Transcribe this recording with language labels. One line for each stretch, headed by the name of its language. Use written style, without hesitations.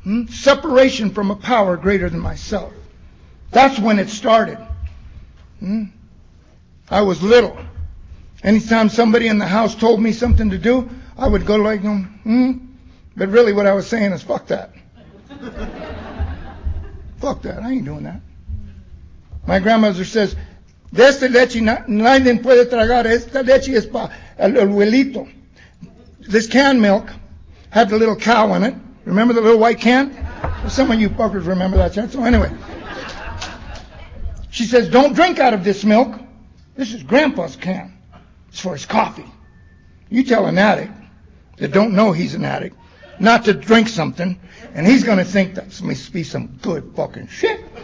English: Separation from a power greater than myself. That's when it started. I was little. Anytime somebody in the house told me something to do, I would go like, But really what I was saying is, fuck that. Fuck that. I ain't doing that. My grandmother says,
Spanish: de esta leche nadie puede tragar. Esta leche es para el abuelito.
English: This canned milk had the little cow in it. Remember the little white can? Some of you fuckers remember that. So anyway. She says, don't drink out of this milk. This is grandpa's can. It's for his coffee. You tell an addict that don't know he's an addict not to drink something, and he's going to think that must be some good fucking shit.